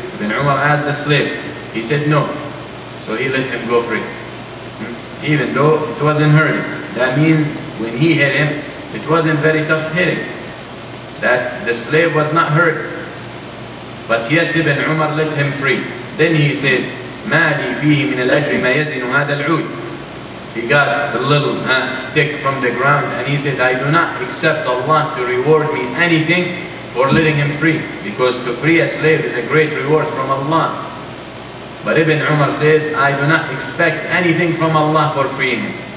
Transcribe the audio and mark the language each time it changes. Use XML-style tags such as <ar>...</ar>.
<en>Ibn Umar asked the slave. He said no. So he let him go free. Even though it wasn't hurting. That means when he hit him, it wasn't very tough hitting. That the slave was not hurt. But yet Ibn Umar let him free. Then he said,</en> <ar>ما لي فيه من الأجر ما يزن هذا العود.</ar> <en>He got the little stick from the ground and he said, I do not accept Allah to reward me anything for letting him free. Because to free a slave is a great reward from Allah. But Ibn Umar says, I do not expect anything from Allah for freeing him.</en>